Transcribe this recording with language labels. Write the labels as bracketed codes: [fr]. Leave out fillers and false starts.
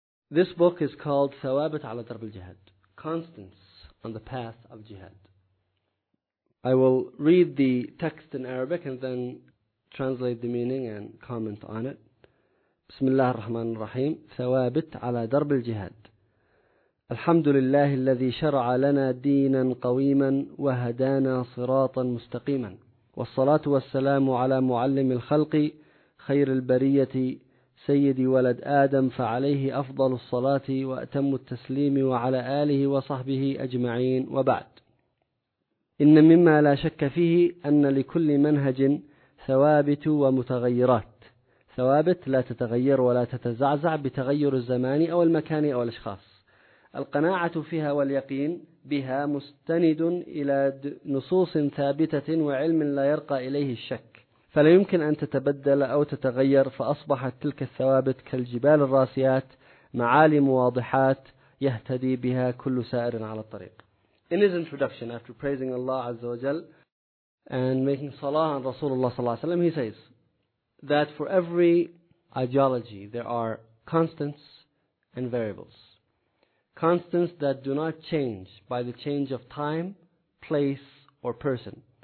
[en] This book is called Thawabat ala Darb al-Jihad, Constance on the Path of Jihad. I will read the text in Arabic and then translate the meaning and comment on it. [ar] بسم الله الرحمن الرحيم. ثوابت على درب الجهاد. الحمد لله الذي شرع لنا دينا قويما وهدانا صراطا مستقيما، والصلاة والسلام على معلم الخلق خير البرية سيد ولد آدم، فعليه أفضل الصلاة وأتم التسليم، وعلى آله وصحبه أجمعين. وبعد، إن مما لا شك فيه أن لكل منهج ثوابت ومتغيرات. ثوابت لا تتغير ولا تتزعزع بتغير الزمان أو المكان أو الأشخاص. القناعة فيها واليقين بها مستند إلى نصوص ثابتة وعلم لا يرقى إليه الشك، فلا يمكن أن تتبدل أو تتغير، فأصبحت تلك الثوابت كالجبال الراسيات، معالم واضحات يهتدي بها كل سائر على الطريق. [en] In his introduction, after praising Allah Azza wa Jal and making salah on Rasulullah [ar] صلى الله عليه وسلم, [en] he says that for every ideology there are constants and variables. Constants that do not change by the change of time, place, or person.